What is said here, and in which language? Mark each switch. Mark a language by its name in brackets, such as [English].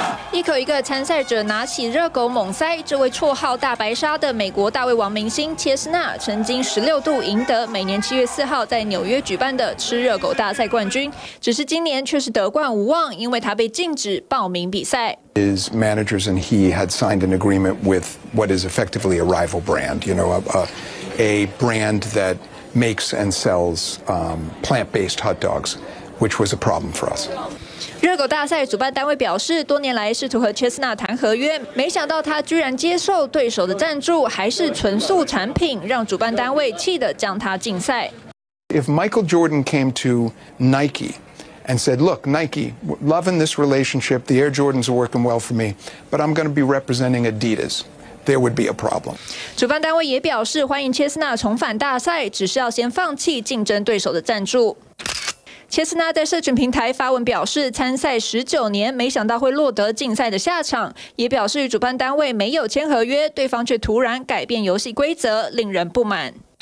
[Chinese] 一口一个参赛者拿起热狗猛塞，这位绰号大白鲨的美国大胃王明星切斯纳曾经16度赢得每年7月4号在纽约举办的吃热狗大赛冠军，只是今年却是得冠无望，因为他被禁止报名比赛。 [English] His managers and he had signed an agreement with what is effectively a rival brand, you know, a brand that makes and sells plant-based hot dogs, which was a problem for us. [Chinese] 热狗大赛主办单位表示，多年来试图和切斯纳谈合约，没想到他居然接受对手的赞助，还是纯素产品，让主办单位气得将他禁赛。 [English] If Michael Jordan came to Nike and said, "Look, Nike, loving this relationship, the Air Jordans are working well for me, but I'm going to be representing Adidas." There would be a problem. [Chinese] 主办单位也表示欢迎切斯纳重返大赛，只是要先放弃竞争对手的赞助。切斯纳在社群平台发文表示，参赛19年，没想到会落得禁赛的下场，也表示与主办单位没有签合约，对方却突然改变游戏规则，令人不满。